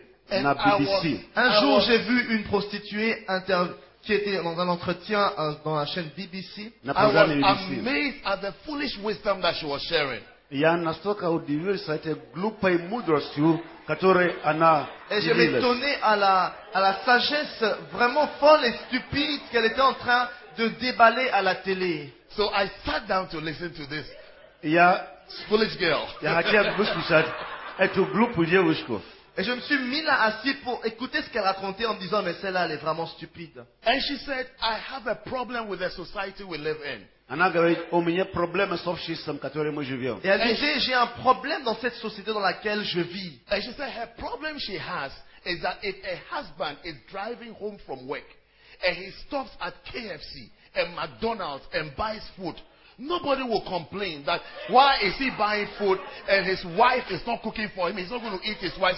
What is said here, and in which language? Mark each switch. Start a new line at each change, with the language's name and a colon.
French: Un jour, j'ai vu une prostituée qui était dans un entretien dans la chaîne BBC.
English: Amazed at the foolish wisdom that she was sharing.
Russian: Я настолько удивился этой глупой мудростью, которой она делилась.
French: Et je m'étonnais à la sagesse vraiment folle et stupide qu'elle était en train de déballer à la télé.
English: So I sat down to listen to this.
Russian: Я
English: foolish girl.
Russian: Я хотел выслушать эту глупую девушку.
French: Et je me suis mis là assis pour écouter ce qu'elle racontait en me disant mais celle-là elle est vraiment stupide.
English: And she said I have a problem with the society we live in.
Russian: Она говорит, у меня проблема с обществом, в котором мы живем.
French: Et elle disait, j'ai un problème dans cette société dans laquelle je vis.
English: And she said, her problem she has is that if a husband is driving home from work and he stops at KFC and McDonald's and buys food, nobody will complain that why is he buying food and his wife is not cooking for him, he's not going to eat his wife.